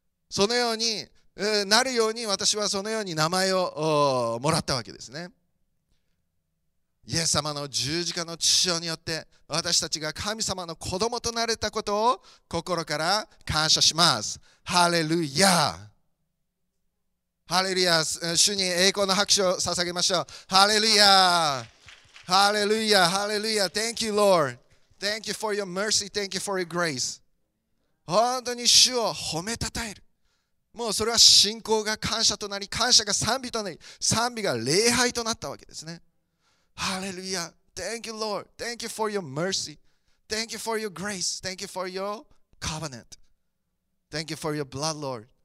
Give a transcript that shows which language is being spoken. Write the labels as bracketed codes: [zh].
[ja] そのようになるように私はそのように名前をもらったわけですね。イエス様の十字架の血潮によって私たちが神様の子供となれたことを心から感謝します。ハレルヤハレルヤ、主に栄光の拍手を捧げましょう。 [en] ハレルヤハレルヤハレルヤ、 Thank you Lord、 Thank you for your mercy、 Thank you for your grace。 [ja] 本当に主を褒めたたえる、もうそれは信仰が感謝となり、感謝が賛美となり、賛美が礼拝となったわけですね。 [en] ハレルヤ、 Thank you Lord、 Thank you for your mercy、 Thank you for your grace、 Thank you for your covenant、 Thank you for your blood Lord。